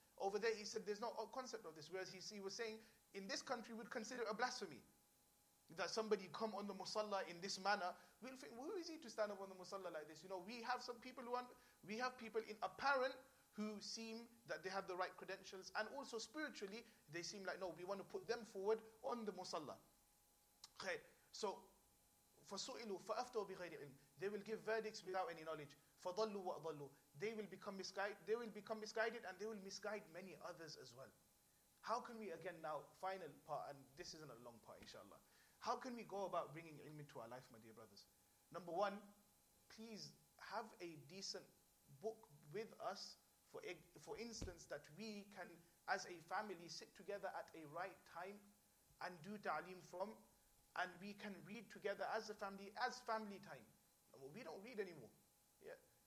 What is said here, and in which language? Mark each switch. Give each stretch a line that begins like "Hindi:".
English: Over there, he said, there's no concept of this. Whereas he was saying, in this country, we'd consider a blasphemy that somebody come on the musalla in this manner. We'll think, who is he to stand up on the musalla like this? You know, we have people in apparent who seem that they have the right credentials, and also spiritually, they seem like, no, we want to put them forward on the musalla.
Arabic: Okay, so فَسُئِلُوا فَأَفْتَوْا بِغَيْرِ عِلْمٍ.
English: They will give verdicts without any knowledge.
Arabic: فَضَلُّوا وَأَضَلُّوا.
English: They will become misguided. They will become misguided, and they will misguide many others as well. How can we, again, now, final part, and this isn't a long part, inshallah. How can we go about bringing ilm into our life, my dear brothers? Number one, please have a decent book with us, for instance, that we can, as a family, sit together at a right time and do ta'aleem from, and we can read together as a family, as family time. We don't read anymore. Yeah.